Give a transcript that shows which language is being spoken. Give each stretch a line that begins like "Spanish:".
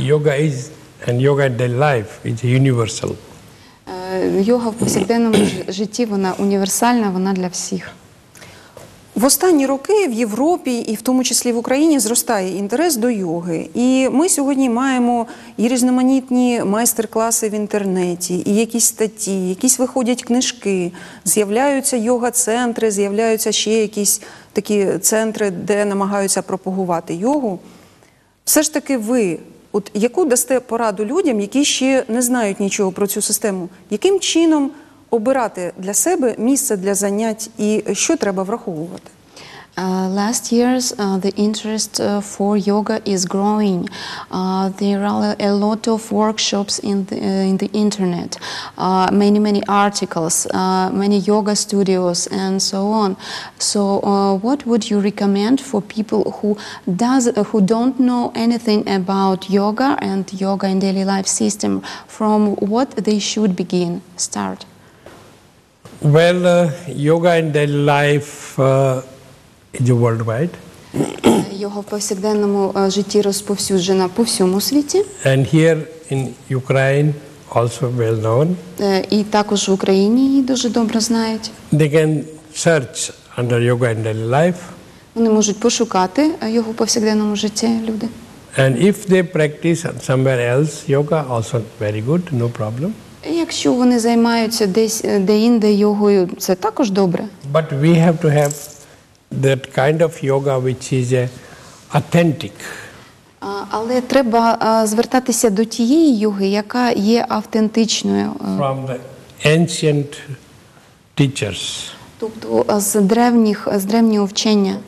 English: Yoga is, and yoga in daily life is universal.
Ukrainian: Йога в повсякденному житті, вона універсальна, вона для всіх. В останні роки в Європі і в тому числі в Україні зростає інтерес до йоги. І ми сьогодні маємо і різноманітні майстер-класи в інтернеті, і якісь статті, якісь виходять книжки, з'являються йога-центри, з'являються ще якісь такі центри, де намагаються пропагувати йогу. Все ж таки ви, от яку дасте пораду людям, які ще не знають нічого про цю систему? Яким чином обирати для себе місце для занять і що треба враховувати?
English: Last years the interest for yoga is growing. There are a lot of workshops in the internet, many articles, many yoga studios and so on. So what would you recommend for people who don't know anything about yoga and yoga in daily life system? From what they should begin, start? Well, yoga in daily life is worldwide.
Ukrainian: Його в повсякденному житті розповсюджена по всьому світі.
English: And here in Ukraine also well known.
Ukrainian: І також в Україні її дуже добре знають.
English: They can search under yoga in daily life.
Ukrainian: Вони можуть пошукати його в повсякденному житті люди.
English: And if they practice somewhere else yoga also very good, no problem.
Ukrainian: Якщо вони займаються десь деінде йогою, це також добре.
English: But we have to have that kind of yoga which is authentic.
Ukrainian: Але треба звертатися до тієї йоги, яка є автентичною.
English: From the ancient teachers.
Ukrainian: Тобто з древнього вчення.